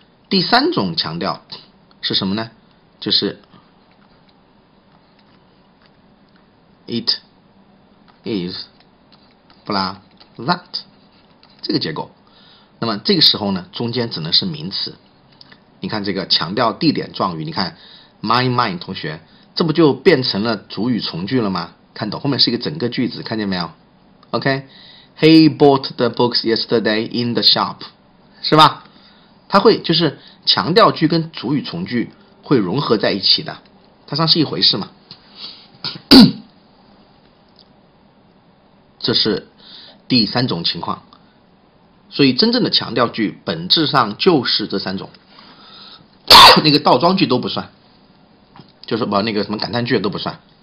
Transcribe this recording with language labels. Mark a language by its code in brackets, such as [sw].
[zh] 第三种强调是什么呢？就是 [en] it is blah that [zh] 这个结构。那么这个时候呢，中间只能是名词。你看这个强调地点状语，你看 mine 同学，这不就变成了主语从句了吗？看懂，后面是一个整个句子，看见没有 ？OK。 [en] He bought the books yesterday in the shop， 是吧？ [zh] 它会就是强调句跟主语从句会融合在一起的，它算是一回事嘛。这是第三种情况，所以真正的强调句本质上就是这三种，那个倒装句都不算，就是把那个什么感叹句都不算。